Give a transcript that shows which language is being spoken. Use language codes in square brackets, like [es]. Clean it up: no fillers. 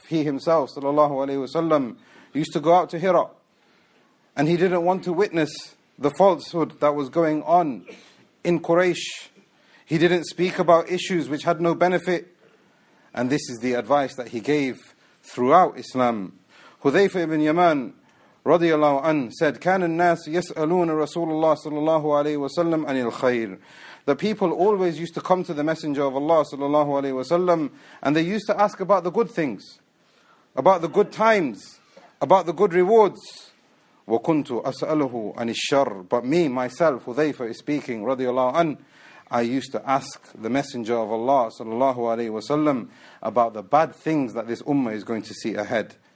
[en] He himself, sallallahu alayhi wasallam, used to go out to Hira, and he didn't want to witness the falsehood that was going on in Quraysh. He didn't speak about issues which had no benefit. And this is the advice that he gave throughout Islam. Hudhayfa ibn Yaman radiyallahu anhu said, [ar] كان الناس يسألون رسول الله صلى الله عليه وسلم عن الخير. [en] The people always used to come to the Messenger of Allah [ar] صلى الله عليه وسلم, [en] and they used to ask about the good things, about the good times, about the good rewards. [ar] وَكُنْتُ أَسْأَلُهُ عَنِ الشَّرِّ. [en] But me, myself, Hudhayfa is speaking, radiyallahu anhu, I used to ask the Messenger of Allah sallallahu alayhi wasallam about the bad things that this ummah is going to see ahead.